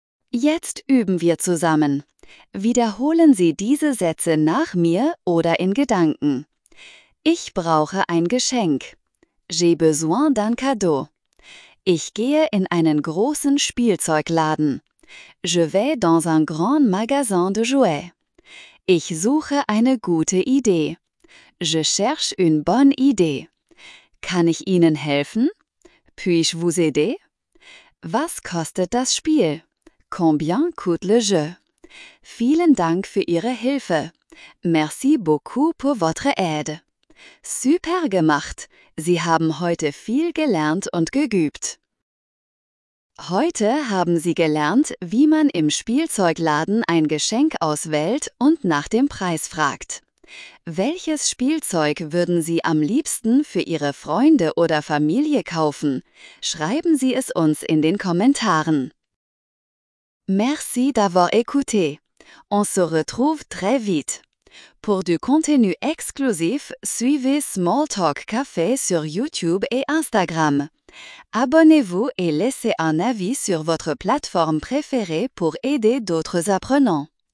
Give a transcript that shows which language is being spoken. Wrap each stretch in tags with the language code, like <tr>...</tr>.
<de>Jetzt üben wir zusammen. Wiederholen Sie diese Sätze nach mir oder in Gedanken. Ich brauche ein Geschenk.</de> <fr>J'ai besoin d'un cadeau.</fr> <de>Ich gehe in einen großen Spielzeugladen.</de> <fr>Je vais dans un grand magasin de jouets.</fr> <de>Ich suche eine gute Idee.</de> <fr>Je cherche une bonne idée.</fr> <de>Kann ich Ihnen helfen?</de> <fr>Puis-je vous aider?</fr> <de>Was kostet das Spiel?</de> <fr>Combien coûte le jeu?</fr> <de>Vielen Dank für Ihre Hilfe.</de> <fr>Merci beaucoup pour votre aide.</fr> <de>Super gemacht! Sie haben heute viel gelernt und geübt. Heute haben Sie gelernt, wie man im Spielzeugladen ein Geschenk auswählt und nach dem Preis fragt. Welches Spielzeug würden Sie am liebsten für Ihre Freunde oder Familie kaufen? Schreiben Sie es uns in den Kommentaren.</de> <fr>Merci d'avoir écouté. On se retrouve très vite. Pour du contenu exclusif, suivez Smalltalk Café sur YouTube et Instagram. Abonnez-vous et laissez un avis sur votre plateforme préférée pour aider d'autres apprenants.</fr>